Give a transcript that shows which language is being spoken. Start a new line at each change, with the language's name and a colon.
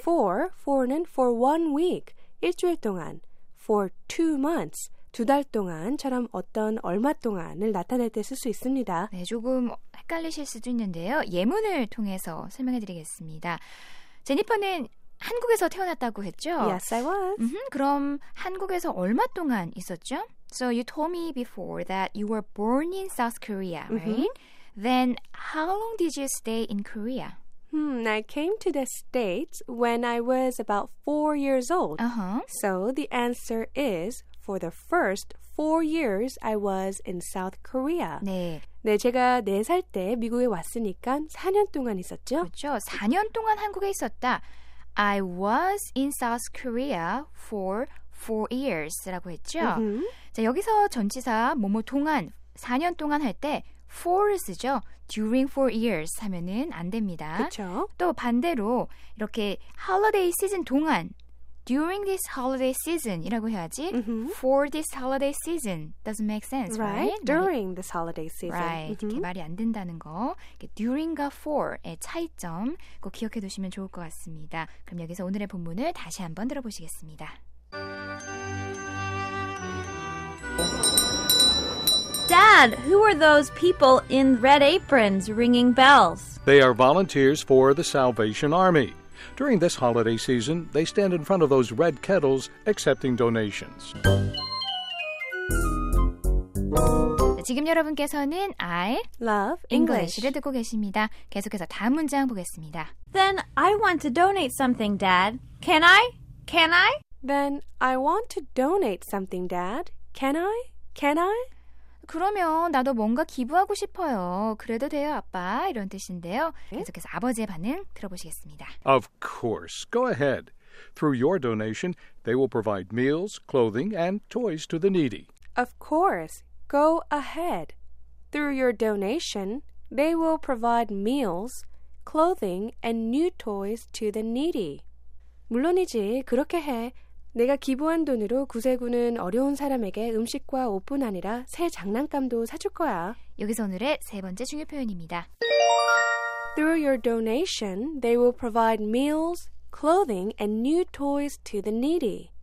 Korean: For는
English: for one week,
Korean: 일주일 동안,
English: for two months,
Korean: 두 달 동안처럼 어떤 얼마 동안을 나타낼 때 쓸 수 있습니다. 네, 조금 헷갈리실 수도 있는데요. 예문을 통해서 설명해드리겠습니다. 제니퍼는 한국에서 태어났다고 했죠?
English: Yes, I was. Mm-hmm.
Korean: 그럼 한국에서 얼마 동안 있었죠?
English: So you told me before that you were born in South Korea, right? Mm-hmm. Then how long did you stay in Korea? I came to the States when I was about 4 years old. Uh-huh. So the answer is for the first 4 years I was in South Korea.
Korean: 네. 네, 제가 4살 때 미국에 왔으니까 4년 동안 있었죠? 그렇죠. 4년 동안 한국에 있었다.
English: I was in South Korea for 4 years
Korean: 라고 했죠. Mm-hmm. 자, 여기서 전치사 뭐뭐 동안 4년 동안 할 때 for 쓰죠.
English: During 4 years
Korean: 하면은 안 됩니다. 그렇죠. 또 반대로 이렇게 holiday season 동안
English: during this holiday season
Korean: 이라고 해야지 mm-hmm.
English: for this holiday season doesn't make sense, right? right? During this holiday season. Right. Mm-hmm.
Korean: 이렇게 말이 안 된다는 거. During과 for의 차이점 꼭 기억해 두시면 좋을 것 같습니다. 그럼 여기서 오늘의 본문을 다시 한번 들어보시겠습니다.
English: Dad! Dad, who are those people in red aprons ringing bells? They are volunteers for the Salvation Army. During this holiday season, they stand in front of those red kettles accepting donations.
Korean: 지금 여러분께서는 I
English: love English를
Korean: 듣고 계십니다. 계속해서 다음 문장 보겠습니다.
English: Then I want to donate something, Dad. Can I? Can I? Then I want to donate something, Dad. Can I? Can I?
Korean: 그러면 나도 뭔가 기부하고 싶어요. 그래도 돼요, 아빠? 이런 뜻인데요. 계속해서 아버지의 반응 들어보시겠습니다.
English: Of course. Go ahead. Through your donation, they will provide meals, clothing, and toys to the needy. Of course. Go ahead. Through your donation, they will provide meals, clothing, and new toys to the needy.
Korean: 물론이지. 그렇게 해. 내가 기부한 돈으로 구세군은 어려운 사람에게 음식과 옷뿐 아니라 새 장난감도 사줄 거야. 여기서 오늘의 세 번째 중요 표현입니다.
English: Through your donation, they will provide meals, clothing, and new toys to the needy.